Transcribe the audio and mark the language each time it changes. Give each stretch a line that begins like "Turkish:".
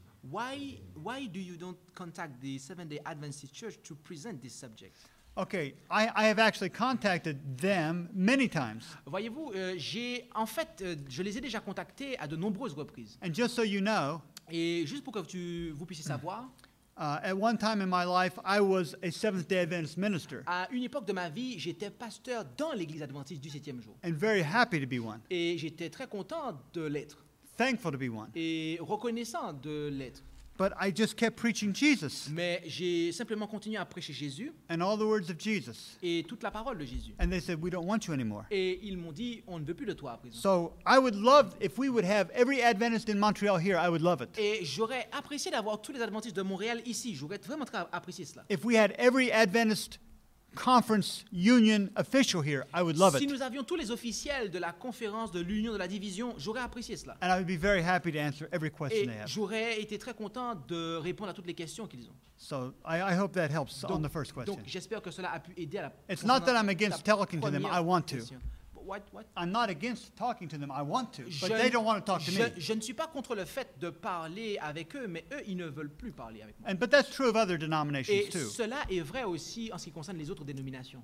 English: Why do you don't contact the Seventh-day Adventist Church to present this subject? Okay, I have actually contacted them many times.
French: Voyez-vous, je les ai déjà contactés à de nombreuses reprises.
English: And just so you know,
French: et juste pour que vous puissiez savoir,
English: At one time in my life, I was a Seventh-day Adventist minister.
French: À une époque de ma vie, j'étais pasteur dans l'Église Adventiste du Septième Jour.
English: And very happy to be one.
French: Et j'étais très content de l'être.
English: Thankful to be one.
French: Et reconnaissant de l'être.
English: But I just kept preaching Jesus.
French: Mais j'ai simplement continué à prêcher Jésus.
English: And all the words of Jesus.
French: Et toute la parole de Jésus.
English: And they said, we don't want you anymore.
French: Et ils m'ont dit, on ne veut plus de toi à présent.
English: So I would love, if we would have every Adventist in Montreal here, I would love it.
French: Et j'aurais apprécié d'avoir tous les Adventistes de Montréal ici. J'aurais vraiment très apprécié cela.
English: If we had every Adventist conference union official here, I would love it.
French: Si nous avions tous les officiels de la conférence de l'union de la division, j'aurais apprécié cela.
English: And I would be very happy to answer every question
French: et
English: they have.
French: J'aurais été très content de répondre à toutes les questions qu'ils ont.
English: So I hope that helps on the first question.
French: Donc j'espère que cela a pu aider à la.
English: It's not that I'm against talking to them. I want to. What? I'm not against talking to them. I want to, but they don't want to talk to me.
French: Je ne suis pas contre le fait de parler avec eux, mais eux, ils ne veulent plus parler avec moi.
English: And but that's true of other denominations
French: et
English: too.
French: Et cela est vrai aussi en ce qui concerne les autres dénominations.